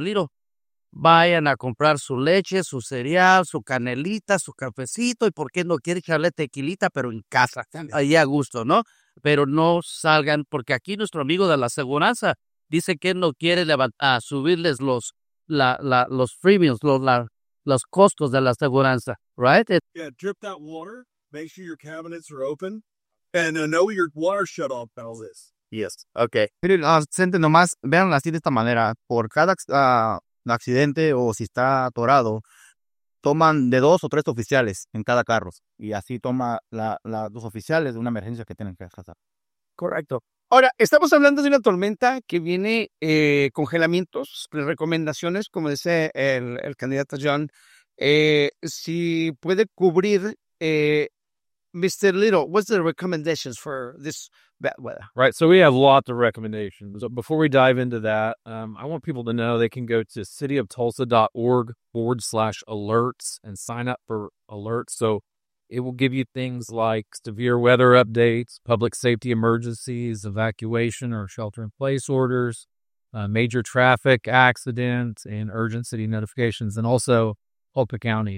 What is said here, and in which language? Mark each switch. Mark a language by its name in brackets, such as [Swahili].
[Spanish] Liro, vayan a comprar su leche, su cereal, su canelita, su cafecito, y por qué no quiere echarle tequilita, pero en casa, ahí a gusto, ¿no? Pero no salgan, porque aquí nuestro amigo de la aseguranza dice que no quiere subirles los premiums, los costos de la aseguranza, ¿right? [English] Yeah, drip that water, make sure your cabinets are open, and know your water shut off valve is. Yes, okay. [Spanish] Pero, gente, nomás, véanlo así de esta manera, por cada... accidente o si está atorado, toman de dos o tres oficiales en cada carro y así toma las dos oficiales de una emergencia que tienen que pasar. Correcto. Ahora, estamos hablando de una tormenta que viene congelamientos, recomendaciones, como dice el candidato John, si puede cubrir, Mr. [English] Little, what's the recommendations for this bad weather? Right, so we have lots of recommendations. So before we dive into that, I want people to know they can go to cityoftulsa.org/alerts and sign up for alerts. So it will give you things like severe weather updates, public safety emergencies, evacuation or shelter-in-place orders, major traffic accidents, and urgent city notifications, and also Culpeper County.